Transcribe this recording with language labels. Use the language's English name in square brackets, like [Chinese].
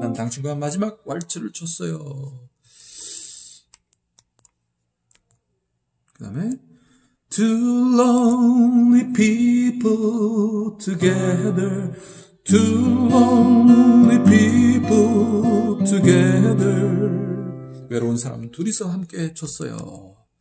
[Korean] 중간 마지막 왈츠를 쳤어요. 그 다음에 [English] Two lonely people together. Two lonely people together. [Korean] 외로운 사람 둘이서 함께 쳤어요.